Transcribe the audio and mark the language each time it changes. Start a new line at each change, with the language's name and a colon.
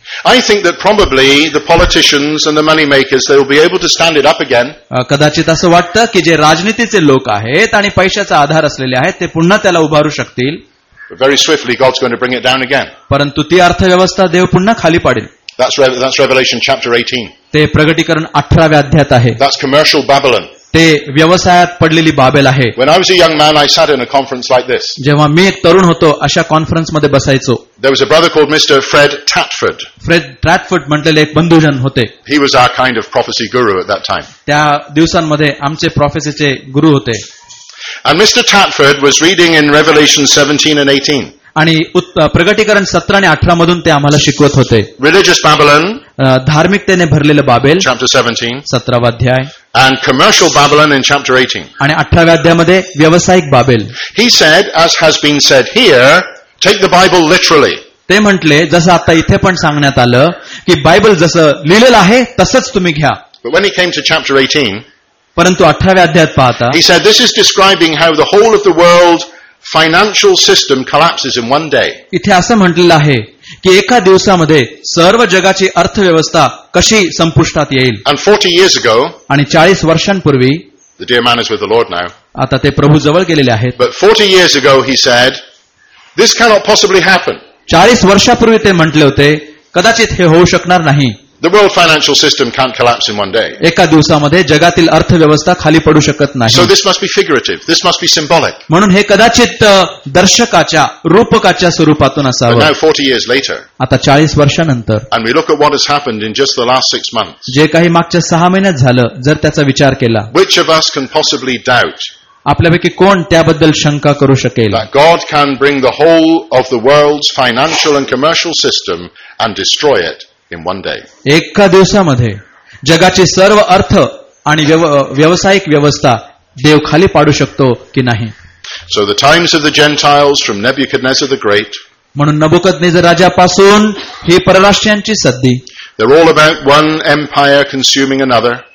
English: I think that probably the politicians and the money makers, they will be able to stand it up again.
Marathi: कदाचित असं वाटतं की जे राजनीतीचे लोक आहेत आणि पैशाचा आधार असलेले आहेत ते पुन्हा त्याला उभारू शकतील.
English: Very swiftly God's going to bring it down again.
Marathi: परंतु ती अर्थव्यवस्था देव पुन्हा खाली पाडेल.
English: That's Revelation chapter 18.
Marathi: ते प्रगटीकरण 18व्या अध्यायात आहे.
English: That's commercial Babylon.
Marathi: ते व्यवसायात पडलेली बाबेल आहे.
English: When I was a young man, I sat in a conference like this.
Marathi: जेव्हा मी एक तरुण होतो अशा कॉन्फरन्स मध्ये बसायचो.
English: There was a brother called Mr. Fred Tatford.
Marathi: Fred Tatford म्हटलेले एक बंधुजन होते.
English: He was our kind of prophecy guru at that time.
Marathi: त्या दिवसांमध्ये आमचे प्रोफेसीचे गुरु होते.
English: And Mr. Tatford was reading in Revelation 17 and 18.
Marathi: आणि प्रगटीकरण 17 आणि 18 मधून ते आम्हाला शिकवत होते.
English: religious Babylon,
Marathi: धार्मिकतेने भरलेलं बाबेल,
English: chapter 17,
Marathi: 17वा अध्याय,
English: and commercial Babylon in chapter 18,
Marathi: आणि 18व्या अध्यायामध्ये व्यावसायिक Babel.
English: He said as has been said here, take the Bible literally.
Marathi: ते म्हटले जसं आता इथे पण सांगण्यात आलं की बायबल जसं लिहिलेलं आहे तसंच तुम्ही घ्या.
English: but when he came to chapter 18,
Marathi: परंतु 18व्या अध्यायात पाहता,
English: He said this is describing how the whole of the world financial system collapses in one day.
Marathi: इथे असं म्हटलं आहे की एका दिवसामध्ये सर्व जगाची अर्थव्यवस्था कशी संपुष्टात येईल.
English: And 40 years ago,
Marathi: आणि 40 वर्षांपूर्वी,
English: the dear man is with the Lord now,
Marathi: आता ते प्रभू जवळ गेलेले आहेत.
English: But 40 years ago he said, this cannot possibly happen.
Marathi: 40 वर्षांपूर्वी ते म्हटले होते कदाचित हे होऊ शकणार नाही.
English: The world financial system can't collapse in one day.
Marathi: एका दिवसामध्ये जगातील अर्थव्यवस्था खाली पडू शकत नाही.
English: So this must be figurative. This must be symbolic.
Marathi: म्हणून हे कदाचित दर्शकाच्या रूपकाच्या स्वरूपातून असावं.
English: Now 40 years later.
Marathi: आता 40 वर्षांनंतर.
English: And we look at what has happened in just the last 6 months.
Marathi: जे काही मागच्या 6 महिन्यात झालं जर त्याचा विचार केला.
English: Which of us can possibly doubt?
Marathi: आपल्यापैकी कोण त्याबद्दल शंका करू शकेल?
English: God can bring the whole of the world's financial and commercial system and destroy it. In one day.
Marathi: एका दिवसामध्ये जगाची सर्व अर्थ आणि व्यावसायिक व्यवस्था देव खाली पाडू शकतो की नाही.
English: So the times of the Gentiles from Nebuchadnezzar the Great.
Marathi: म्हणून नबुकदनेझर राजापासून ही परराष्ट्रांची सद्दी.
English: They're all about one empire consuming another.